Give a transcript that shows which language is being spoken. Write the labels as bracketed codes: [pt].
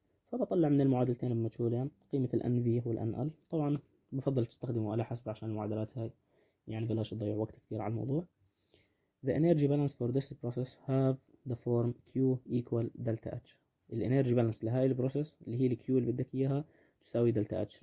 [ar] فبطلع من المعادلتين بمجهولين قيمه الان في والان ال. طبعا بفضل تستخدموا على حسب عشان المعادلات هاي، يعني بلاش تضيع وقت كثير على الموضوع. [en] The energy balance for this process have the form Q equal delta H. [ar] الانرجي بالانس لهاي البروسيس اللي هي الكيو اللي بدك اياها تساوي دلتا H.